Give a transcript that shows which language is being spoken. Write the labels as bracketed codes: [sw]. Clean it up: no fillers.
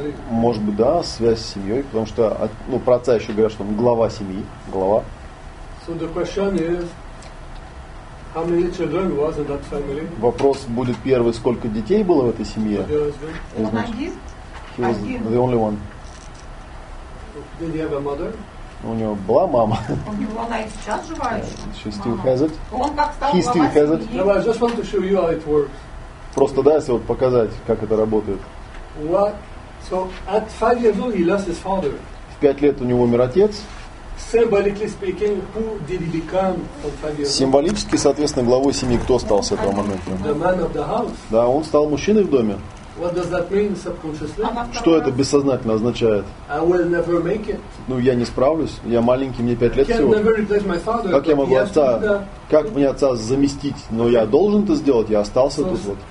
[ru] Может быть, да, связь с семьей, потому что ну про отца еще говорят, что он глава семьи, глава. [en] So the question is, how many children was in that family? [ru] Вопрос будет первый, сколько детей было в этой семье? Один. [en] He was the only one. Did he have a mother? [ru] У него была мама. У него она и сейчас жива еще. [en] She still has it. [ru] Он как стал глава семьи. [en] He still has it. No, I just want to show you how it works. [ru] Просто да, если вот показать, как это работает. [en] What? So at 5 years old he lost his father. [ru] В 5 лет у него умер отец. [en] Symbolically speaking, who did he become at 5 years old? [ru] Символически, соответственно, главой семьи кто стал с этого момента? [en] The man of the house. [ru] Да, он стал мужчиной в доме. [en] What does that mean subconsciously? [ru] Что это бессознательно означает? [en] I will never make it. [ru] Ну, я не справлюсь. Я маленький, мне 5 лет всего. [en] I can never replace my father. [ru] Как я могу отца, как мне отца заместить? Но я должен это сделать, я остался тут вот.